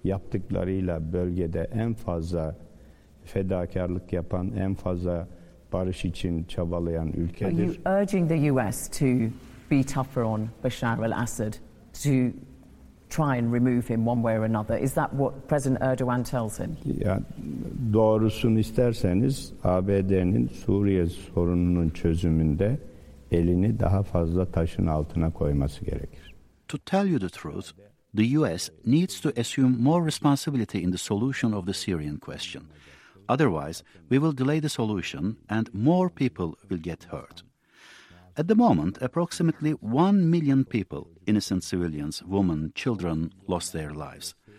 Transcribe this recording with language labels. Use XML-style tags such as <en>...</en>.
<tr>Yaptıklarıyla bölgede en fazla fedakarlık yapan, en fazla barış için çabalayan ülkedir.</tr> <en>Are you urging the US to be tougher on Bashar al-Assad, to try and remove him one way or another? Is that what President Erdogan tells him?</en> <tr>Yani doğrusunu isterseniz ABD'nin Suriye sorununun çözümünde elini daha fazla taşın altına koyması gerekir.</tr> <en>To tell you the truth, the US needs to assume more responsibility in the solution of the Syrian question. Otherwise, we will delay the solution and more people will get hurt. At the moment, approximately 1 million people, innocent civilians, women, children, lost their lives.</en>